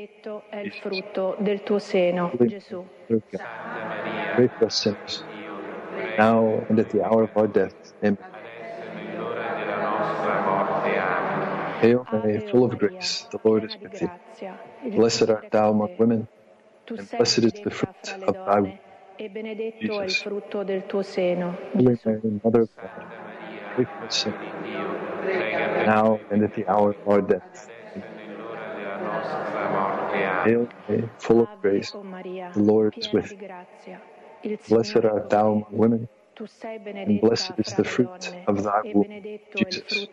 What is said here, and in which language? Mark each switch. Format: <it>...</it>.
<en>Holy Mary, Mother of God, pray for us sinners, now and at the hour of our death. Amen. Hail Mary, full of grace, the Lord is with thee. Blessed art thou among women, and blessed is the fruit of thy womb,</en> <it>e benedetto è il frutto del tuo seno.</it> <en>Holy Mary, Mother of God, pray for us now and at the hour of our death. Hail Mary, full of grace, the Lord is with thee. Blessed art thou among women, and blessed is the fruit of thy womb, Jesus.</en>